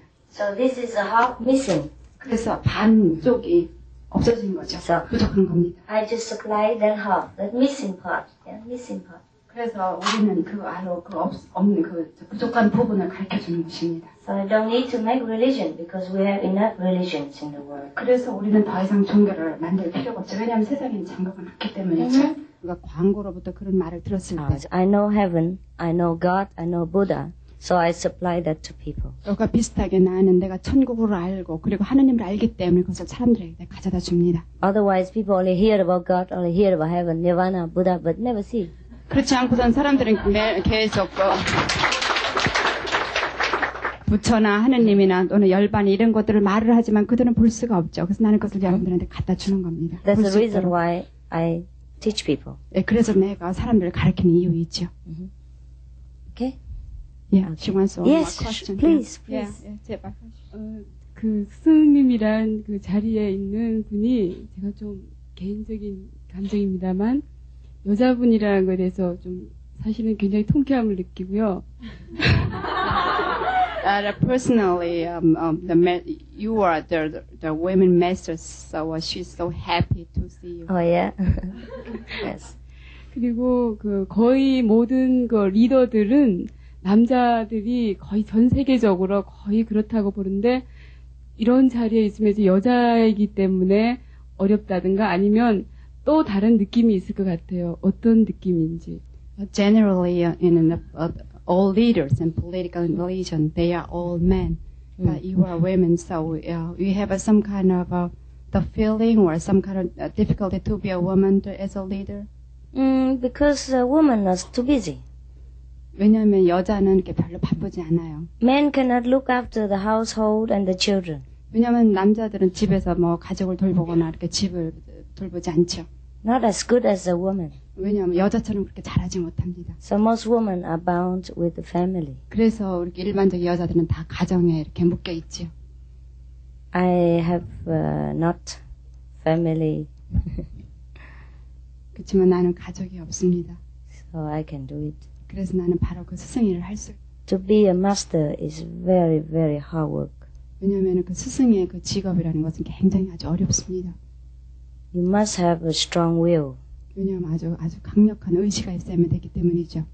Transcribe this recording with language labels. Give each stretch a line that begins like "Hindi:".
English: So this is a half missing.
Korean: 그래서 반쪽이 없어진 거죠.
English: So,
Korean: 부족한 겁니다.
English: I just supply that half, that missing part. Yeah, missing part.
Korean: 그래서 우리는 그 아로 그 없는 그 부족한 부분을 가르쳐 주는 것입니다.
English: So I don't need to make religion because we have enough religions in the world.
Korean: 그래서 우리는 더 이상 종교를 만들 필요가 없죠. 왜냐하면 세상에는 장벽은 없기 때문에. Mm-hmm. 우리가 광고로부터 그런 말을 들었을 때.
English: I know heaven, I know God, I know Buddha. So I supply that to people.
Korean: 그러니까 비슷하게 나는 내가 천국을 알고 그리고 하느님을 알기 때문에 그것을 사람들에게 가져다 줍니다.
English: Otherwise, people only hear about God, only hear about heaven, Nirvana, Buddha, but never see.
Korean: 그렇지 않고선 사람들은 계속 부처나 하느님이나 또는 열반 이런 것들을 말을 하지만 그들은 볼 수가 없죠. 그래서 나는 그것을 여러분들한테 갖다 주는 겁니다.
English: That's the reason why I teach people.
Korean: 예, 그래서 내가 사람들을 가르치는 이유이죠.
English: Okay. Yeah, she wants to ask a question. Please.
Korean: 제발. 그 스승님이란 그 자리에 있는 분이 제가 좀 개인적인 감정입니다만 여자분이라는 것에 대해서 좀 사실은 굉장히 통쾌함을 느끼고요.
English: personally, you are the women master, so she's so happy to see you. Oh yeah. Yes.
Korean: 그리고 그 거의 모든 그 리더들은 남자들이 거의 전 세계적으로 거의 그렇다고 보는데 이런 자리에 있으면서 여자이기 때문에 어렵다든가 아니면 또 다른 느낌이 있을 것 같아요. 어떤 느낌인지.
English: Generally, in all leaders and political religion, they are all men. But you are women, so we have some kind of the feeling or some kind of difficulty to be a woman as a leader. Because a woman is too busy.
Korean: 왜냐하면 여자는 이렇게 별로 바쁘지 않아요.
English: Men cannot look after the household and the children.
Korean: 왜냐하면 남자들은 집에서 뭐 가족을 돌보거나 이렇게 집을 돌보지 않죠.
English: Not as good as a woman.
Korean: 왜냐하면 여자처럼 그렇게 잘하지 못합니다.
English: So most women are bound with the family.
Korean: 그래서 우리 일반적인 여자들은 다 가정에 이렇게 묶여 있지요.
English: I have not family.
Korean: 그렇지만 나는 가족이 없습니다.
English: So I can do it.
Korean: 그래서 나는 바로 그 스승이를 할 수.
English: To be a master is very, very hard work.
Korean: 왜냐하면 그 스승의 그 직업이라는 것은 굉장히 아주 어렵습니다.
English: You must have a strong will.
Korean: 왜냐하면 아주 아주 강력한 의지가 있어야 되기 때문이죠.